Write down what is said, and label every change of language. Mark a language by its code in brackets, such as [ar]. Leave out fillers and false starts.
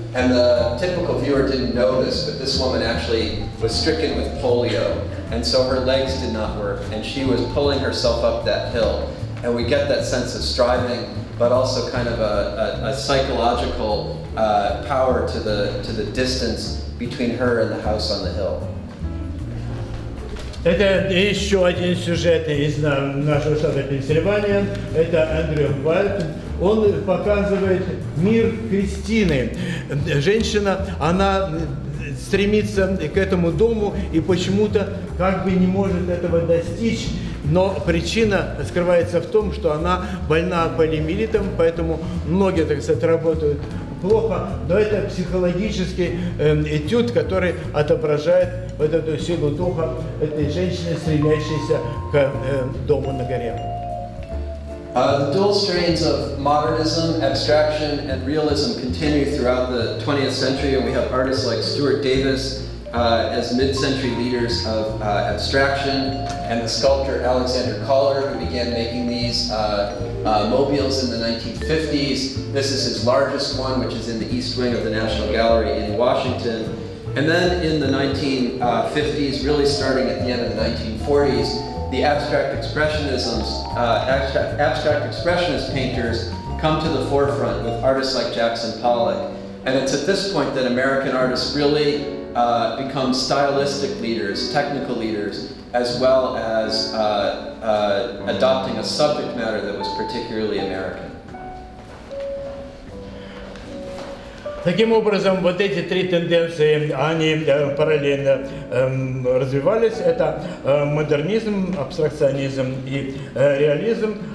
[en] And the typical viewer didn't know this, but this woman actually was stricken with polio, and so her legs did not work, and she was pulling herself up that hill. And we get that sense of striving, but also kind of a psychological power to the distance between her and the house on the hill. [ru] Это еще один сюжет из нашего штата Пенсильвания. Это Эндрю Вальд. Он показывает мир Кристины. Женщина, она стремится к этому дому и почему-то как бы не может этого достичь. Но причина скрывается в том, что она больна полимелитом, поэтому многие, так сказать, работают плохо. Но это психологический этюд, который отображает вот эту силу духа этой женщины, стремящейся к дому на горе. [en] The dual strains of modernism, abstraction, and realism continue throughout the 20th century, and we have artists like Stuart Davis as mid-century leaders of abstraction, and the sculptor Alexander Koller, who began making these mobiles in the 1950s. This is his largest one, which is in the East Wing of the National Gallery in Washington. And then in the 1950s, really starting at the end of the 1940s, the abstract expressionist painters come to the forefront with artists like Jackson Pollock. And it's at this point that American artists really become stylistic leaders, technical leaders, as well as adopting a subject matter that was particularly American. [ru] Таким образом, вот эти три тенденции, они параллельно развивались. Это модернизм, абстракционизм и реализм.